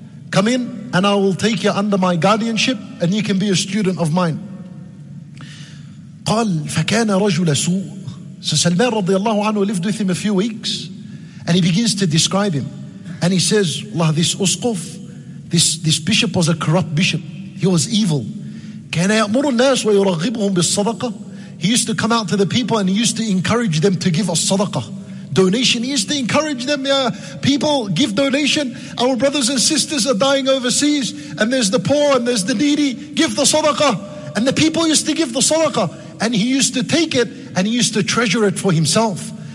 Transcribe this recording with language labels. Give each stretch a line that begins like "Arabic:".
English: Come in and I will take you under my guardianship and you can be a student of mine.
Arabic: قال فكان رجل سوء.
English: So Salman رضي الله عنه lived with him a few weeks and he begins to describe him. And he says, Allah, this usquf, this bishop was a corrupt bishop. He was evil.
Arabic: كان يأمر الناس ويرغبهم بالصدقة.
English: He used to come out to the people and he used to encourage them to give a sadaqah. Donation. He used to encourage them, yeah, people, give donation. Our brothers and sisters are dying overseas and there's the poor and there's the needy. Give the sadaqah. And the people used to give the sadaqah. And he used to take it and he used to treasure it for himself.